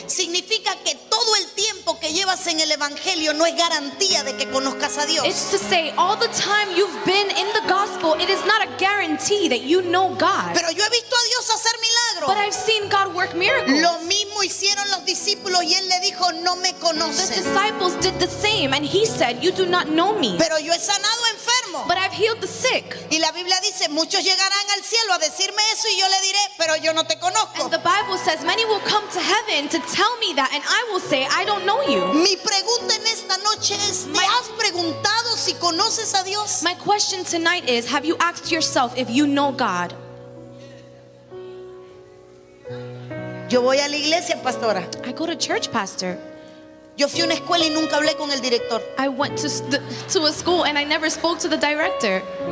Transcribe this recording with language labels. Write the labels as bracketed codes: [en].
[es] Significa que todo el tiempo que llevas en el evangelio no es garantía de que conozcas a Dios. [en] It's to say, all the time you've been in the gospel, it is not a guarantee that you know God. [es] Pero yo he visto a Dios hacer milagros. [en] But I've seen God work miracles. [es] Lo mismo hicieron los discípulos y él le dijo, no me conoces. [en] The disciples did the same and he said, you do not know me. [es] Pero yo he sanado enfermo. [en] But I've healed the sick. [es] Y la Biblia dice, muchos llegarán al cielo a decirme eso y yo le diré, pero yo no te conozco. [en] And the Bible says, many will come to heaven to tell me that and I will say, I don't know you. [es] Mi pregunta en esta noche es, ¿te has preguntado si conoces a Dios? [en] My question tonight is, have you asked yourself if you know God? [es] Yo voy a la iglesia, pastora. [en] I go to church, pastor. [es] Yo fui a una escuela y nunca hablé con el director. [en] I went to a school and I never spoke to the director.